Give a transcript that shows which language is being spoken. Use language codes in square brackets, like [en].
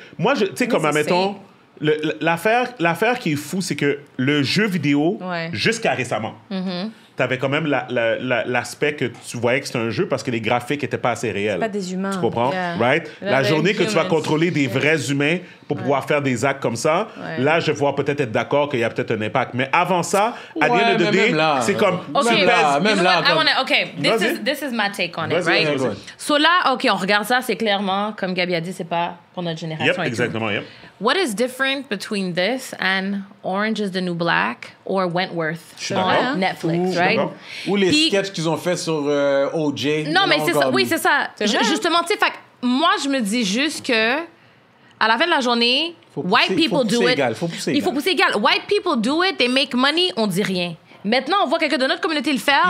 [fr] Moi, tu sais, comme, admettons, l'affaire qui est fou, c'est que le jeu vidéo, jusqu'à récemment, t'avais quand même l'aspect que tu voyais que c'était un jeu parce que les graphiques n'étaient pas assez réels. C'est pas des humains. Tu comprends? Yeah. Right? La journée que tu vas contrôler des vrais humains pour pouvoir faire des actes comme ça, là, je vais peut-être être d'accord qu'il y a peut-être un impact. Mais avant ça, à l'île de D, c'est comme... [en] Okay, this is my take on it, right? [fr] So là, OK, on regarde ça, c'est clairement, comme Gabi a dit, c'est pas pour notre génération. [en] Yep, exactement, yep. What is different between this and Orange is the New Black or Wentworth on Netflix, right? [fr] Ou les sketchs qu'ils ont fait sur OJ. Non, mais c'est ça. Oui, c'est ça. Justement, tu sais, moi, je me dis juste que à la fin de la journée, [en] white people do it. [fr] Il faut pousser égal. [en] White people do it, they make money, [fr] on dit rien. Maintenant, on voit quelqu'un de notre communauté le faire.